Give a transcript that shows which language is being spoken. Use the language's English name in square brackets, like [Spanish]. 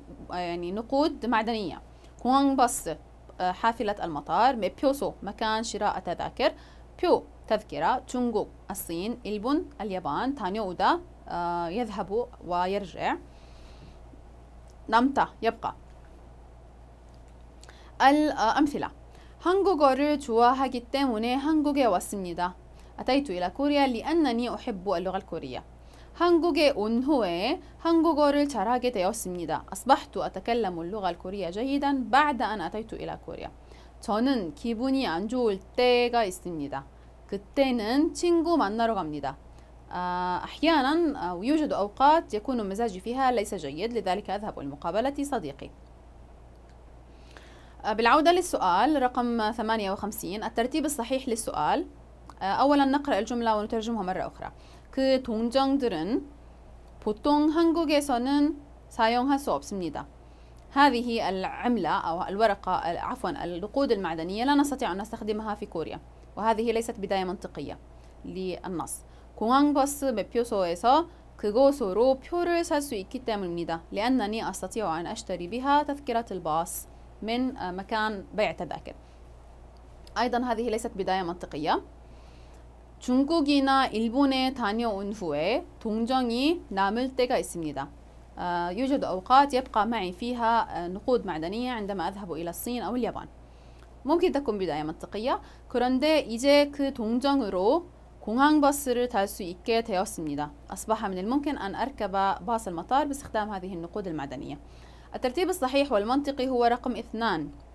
[Arabic] يعني نقود معدنية كونغ بس حافلة المطار ميبيوسو مكان شراء تذاكر بيو تذكرة تونغو الصين إلبون اليابان تانيو أودا يذهب ويرجع نمتا يبقى الأمثلة [Korean] 한국어를 좋아하기 때문에 한국에 왔습니다. [Arabic] أتيت إلى كوريا لأنني أحب اللغة الكورية. [Korean] 한국에 온 후에 한국어를 잘하게 되었습니다. [Arabic] أصبحت أتكلم اللغة الكورية جيدا بعد أن أتيت إلى كوريا. [Korean] 저는 기분이 안 좋을 때가 있습니다. 그때는 친구 만나러 갑니다. [Arabic] أحيانا يوجد أوقات يكون مزاجي فيها ليس جيد لذلك أذهب لمقابلة صديقي. بالعودة للسؤال رقم 58 الترتيب الصحيح للسؤال أولا نقرأ الجملة ونترجمها مرة أخرى [Korean] 그 동전들은 보통 한국에서는 사용할 수 없습니다 [Arabic] هذه العملة أو الورقة عفوا النقود المعدنية لا نستطيع أن نستخدمها في كوريا وهذه ليست بداية منطقية للنص [Korean] 공항버스 매표소에서 그곳으로 표를 살 수 있기 때문입니다 [Arabic] لأنني أستطيع أن أشتري بها تذكرة الباص من مكان بيع تذاكر. أيضا هذه ليست بداية منطقية. [Korean] 중국이나 일본에 다녀온 후에 동전이 남을 때가 있습니다. [Arabic] يوجد أوقات يبقى معي فيها نقود معدنية عندما أذهب إلى الصين أو اليابان. ممكن تكون بداية منطقية. [Korean] 그런데 이제 그 동전으로 공항 버스를 탈 수 있게 되었습니다. [Arabic] أصبح من الممكن أن أركب باص المطار باستخدام هذه النقود المعدنية. الترتيب الصحيح والمنطقي هو رقم 2.